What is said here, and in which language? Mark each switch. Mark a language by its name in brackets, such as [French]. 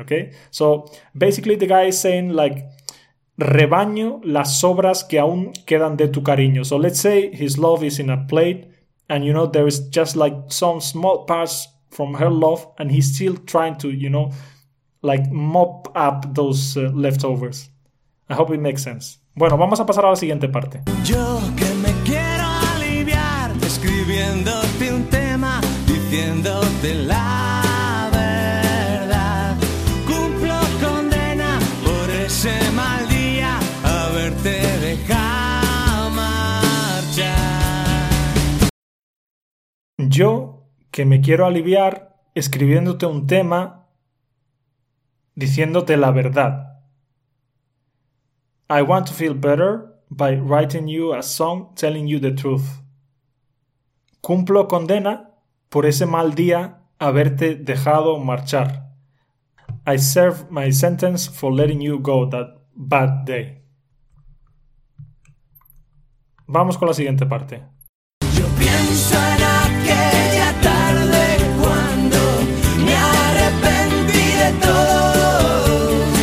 [English] Okay, so basically the guy is saying like, [Spanish] rebaño las sobras que aún quedan de tu cariño. [English] So let's say his love is in a plate and, you know, there is just like some small parts from her love and he's still trying to, you know, like mop up those leftovers. I hope it makes sense. [Spanish] Bueno, vamos a pasar a la siguiente parte. Yo que me quiero aliviar escribiéndote un tema, diciéndote la verdad. Cumplo condena por ese mal día, haberte dejado marchar. Yo que me quiero aliviar escribiéndote un tema, diciéndote la verdad. [English] I want to feel better by writing you a song telling you the truth. [Spanish] Cumplo condena por ese mal día haberte dejado marchar. [English] I serve my sentence for letting you go that bad day. [Spanish] Vamos con la siguiente parte. Yo pienso en aquella tarde cuando me arrepentí de todo.